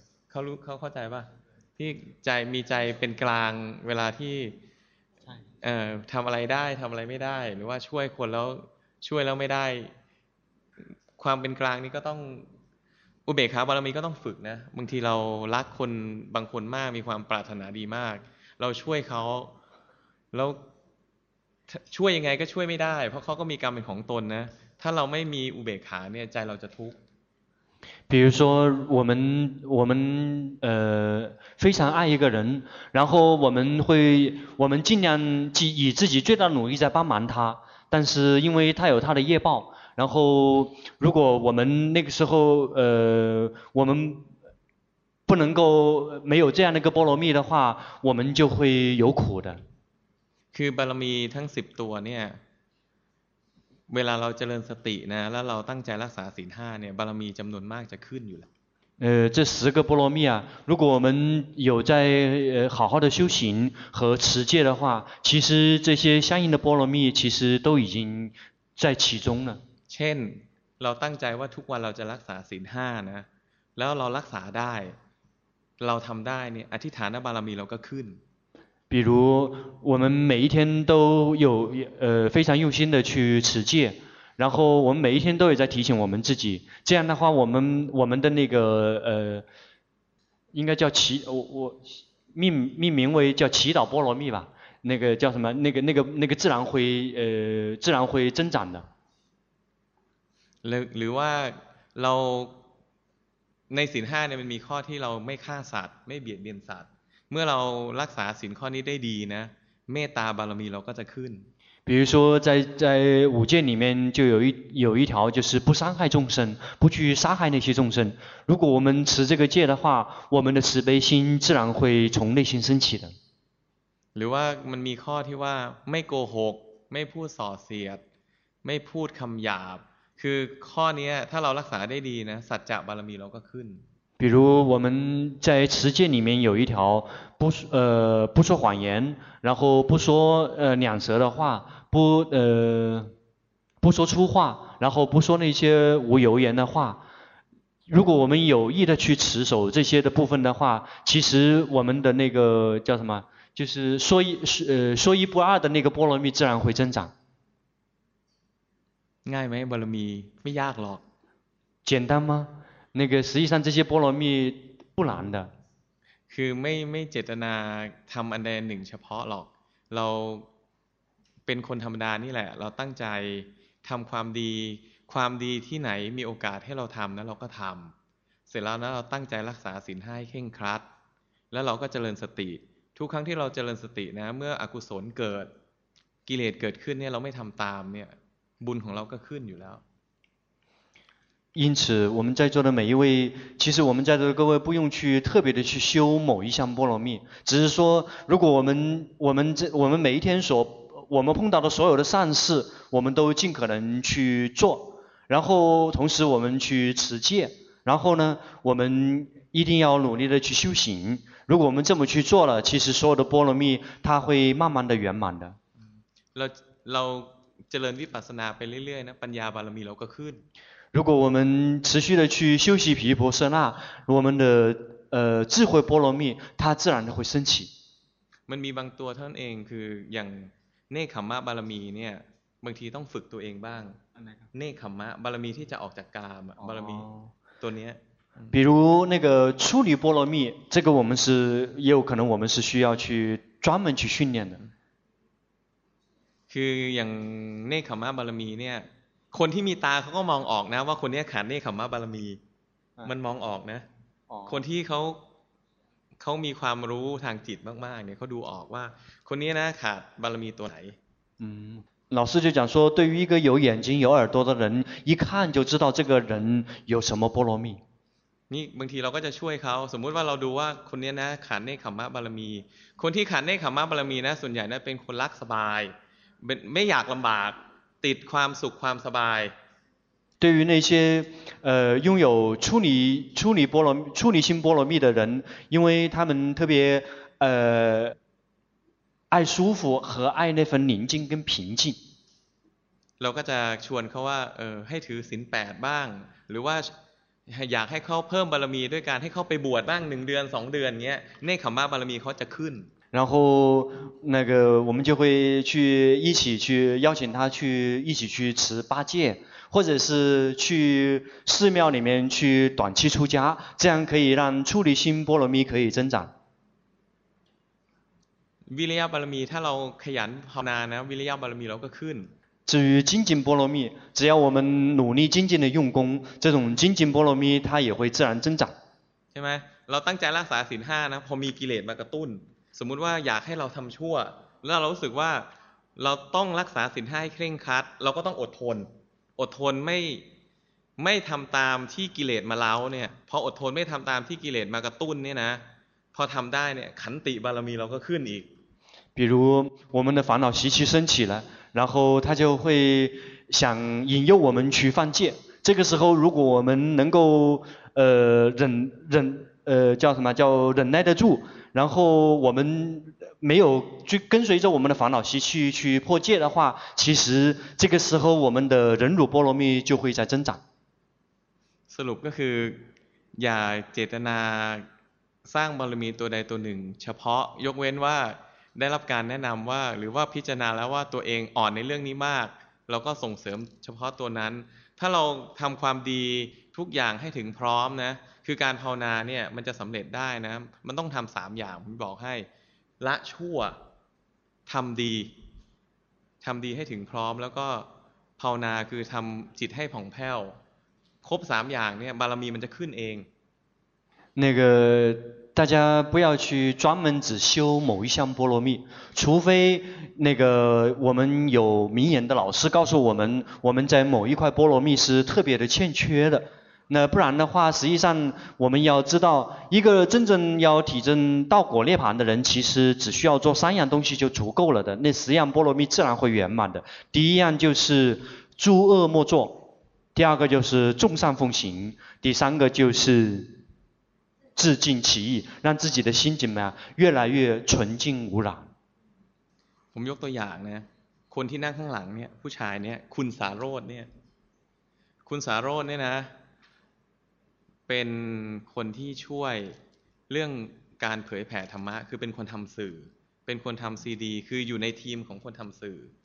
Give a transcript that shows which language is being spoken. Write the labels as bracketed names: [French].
[Thai] เขารู้เขาเข้าใจป่ะที่ใจมีใจเป็นกลางเวลาที่ทำอะไรได้ทำอะไรไม่ได้หรือว่าช่วยคนแล้วช่วยแล้วไม่ได้ความเป็นกลางนี้ก็ต้องอุเบกขาบารมีก็ต้องฝึกนะบางทีเรารักคนบางคนมากมีความปรารถนาดีมากเราช่วยเขาแล้วช่วยยังไงก็ช่วยไม่ได้เพราะเขาก็มีกรรมเป็นของตนนะถ้าเราไม่มีอุเบกขาเนี่ยใจเราจะทุกข์ [Chinese] 比如说我们非常爱一个人，然后我们尽量以自己最大的努力在帮忙他，但是因为他有他的业报，然后如果我们那个时候我们不能够没有这样的一个波罗蜜的话，我们就会有苦的。 [Thai] คือบารมีทั้ง10 ตัวเนี่ยเวลาเราเจริญสตินะแล้วเราตั้งใจรักษาศีล 5เนี่ยบารมีจำนวนมากจะขึ้นอยู่แล้ว [Chinese] 这十个波罗蜜啊，如果我们有在好好的修行和持戒的话，其实这些相应的波罗蜜其实都已经在其中了。 [Thai] เช่นเราตั้งใจว่าทุกวันเราจะรักษาศีล 5นะแล้วเรารักษาได้เราทำได้เนี่ยอธิษฐานบารมีเราก็ขึ้น [Chinese] 比如我们每一天都有非常用心的去持戒，然后我们每一天都有在提醒我们自己，这样的话我们的那个应该叫祈我命名为叫祈祷波罗蜜吧，那个叫什么那个自然会增长的。 [Thai] หรือว่าเราในศีล 5เนี่ยมันมีข้อที่เราไม่ฆ่าสัตว์ไม่เบียดเบียนสัตว์เมื่อเรารักษาศีลข้อนี้ได้ดีนะเมตตาบารมีเราก็จะขึ้น [Chinese] 比如说在五戒里面就有一条就是不伤害众生，不去杀害那些众生。如果我们持这个戒的话，我们的慈悲心自然会从内心升起的。 [Thai] หรือว่ามันมีข้อที่ว่าไม่โกหกไม่พูดส่อเสียดไม่พูดคำหยาบคือข้อนี้ถ้าเรารักษาได้ดีนะสัจจะบารมีเราก็ขึ้น [Chinese] 比如我们在持戒里面有一条不说谎言，然后不说两舌的话，不说粗话，然后不说那些无由言的话。如果我们有意的去持守这些的部分的话，其实我们的那个叫什么，就是说一不二的那个波罗蜜自然会增长。 [Thai] ง่ายไหมบารมีไม่ยากหรอก [Chinese] 简单吗那个实际上这些波罗蜜不难的 [Thai] คือไม่เจตนาทำอันใดหนึ่งเฉพาะหรอกเราเป็นคนธรรมดานี่แหละเราตั้งใจทำความดีความดีที่ไหนมีโอกาสให้เราทำนั้นเราก็ทำเสร็จแล้วนะเราตั้งใจรักษาศีลให้เคร่งครัดแล้วเราก็เจริญสติทุกครั้งที่เราเจริญสตินะเมื่ออกุศลเกิดกิเลสเกิดขึ้นเนี่ยเราไม่ทำตามเนี่ยบุญของเราก็ขึ้นอยู่แล้ว [Chinese] 因此我们在座的每一位其实我们在座的各位不用去特别的去修某一项波罗蜜只是说如果我们每一天所我们碰到的所有的善事我们都尽可能去做然后同时我们去持戒然后呢我们一定要努力的去修行如果我们这么去做了其实所有的波罗蜜它会慢慢的圆满的 [Thai] เราเจริญวิปัสสนาไปเรื่อยๆนะปัญญาบารมีเราก็ขึ้น [Chinese] 如果我们持续的去修习毗婆舍那我们的智慧波罗蜜它自然的会升起 [Thai] มันมีบางตัวท่านเองคืออย่างเนคขัมมะบารมีเนี่ยบางทีต้องฝึกตัวเองบ้างเนคขัมมะบารมีที่จะออกจากกามบารมีตัวเนี้ย [Chinese] 比如那个处女波罗蜜这个我们是也有可能我们是需要去专门去训练的 [Thai] คืออย่างเนคขัมมะบารมีเนี่ยคนที่มีตาเขาก็มองออกนะว่าคนนี้ขาดเนคขัมมะบารมีมันมองออกนะคนที่เขามีความรู้ทางจิตมากๆเนี่ยเขาดูออกว่าคนนี้นะขาดบารมีตัวไหน [Chinese] 老师就讲说对于一个有眼睛有耳朵的人一看就知道这个人有什么波罗蜜 [Thai] นี่บางทีเราก็จะช่วยเขาสมมุติว่าเราดูว่าคนนี้นะขาดเนคขัมมะบารมีคนที่ขาดเนคขัมมะบารมีนะส่วนใหญ่นะเป็นคนรักสบายไม่อยากลำบากติดความสุขความสบาย [Chinese] 对于那些拥有处女心波罗蜜的人因为他们特别爱舒服和爱那份宁静跟平静 [Thai] เราก็จะชวนเขาว่าให้ถือศีล8บ้างหรือว่าอยากให้เขาเพิ่มบารมีด้วยการให้เขาไปบวชบ้าง1เดือน2เดือนเงี้ยเนคขัมมะบารมีเขาจะขึ้น [Chinese] 然后那个我们就会去一起去邀请他去一起去持八戒或者是去寺庙里面去短期出家这样可以让处女心波罗蜜可以增长 [Thai] วิริยะบารมีถ้าเราขยันภาวนานะวิริยะบารมีเราก็ขึ้น [Chinese] 至于精进波罗蜜只要我们努力精进的用功这种精进波罗蜜它也会自然增长 [Thai] ใช่ไหมเราตั้งใจรักษาศีล5นะพอมีกิเลสมากระตุ้นสมมุติว่าอยากให้เราทำชั่วแล้วเรารู้สึกว่าเราต้องรักษาศีลให้เคร่งครัดเราก็ต้องอดทนอดทนไม่ทำตามที่กิเลสมาเล้าเนี่ยพออดทนไม่ทำตามที่กิเลสมากระตุ้นเนี่ยนะพอทำได้เนี่ยขันติบารมีเราก็ขึ้นอีก [Chinese] 比如我们的烦恼习气升起了然后他就会想引诱我们去犯戒这个时候如果我们能够忍耐得住然后我们没有去跟随着我们的烦恼习去破戒的话其实这个时候我们的忍辱波罗蜜就会在增长 [Thai] สรุปก็คืออย่าเจตนาสร้างบารมีตัวใดตัวหนึ่งเฉพาะยกเว้นว่าได้รับการแนะนำว่าหรือว่าพิจารณาแล้วว่าตัวเองอ่อนในเรื่องนี้มากเราก็ส่งเสริมเฉพาะตัวนั้นถ้าเราทำความดีทุกอย่างให้ถึงพร้อมนะคือการภาวนาเนี่ยมันจะสำเร็จได้นะมันต้องทำสามอย่างผมบอกให้ ละชั่วทำดีให้ถึงพร้อมแล้วก็ภาวนาคือทำจิตให้ผ่องแผ้วครบสามอย่างเนี่ยบารมีมันจะขึ้นเอง [Chinese] 那个大家不要去专门只修某一项波罗蜜除非那个我们有明眼的老师告诉我们在某一块波罗蜜是特别的欠缺的那不然的话实际上我们要知道一个真正要体证道果涅槃的人其实只需要做三样东西就足够了的那十样波罗蜜自然会圆满的第一样就是诸恶莫作第二个就是众善奉行第三个就是自净其意让自己的心怎么样越来越纯净无染 [Thai] ผมยกตัวอย่างนะคนที่นั่งข้างหลังเนี่ยผู้ชายเนี่ยคุณสาโรจน์เนี่ยคุณสาโรจน์เนี่ยนะเป็นคนที่ช่วยเรื่องการเผยแผ่ธรรมะคือเป็นคนทำสื่อเป็นคนทำซีดีคืออยู่ในทีมของคนทำสื่อ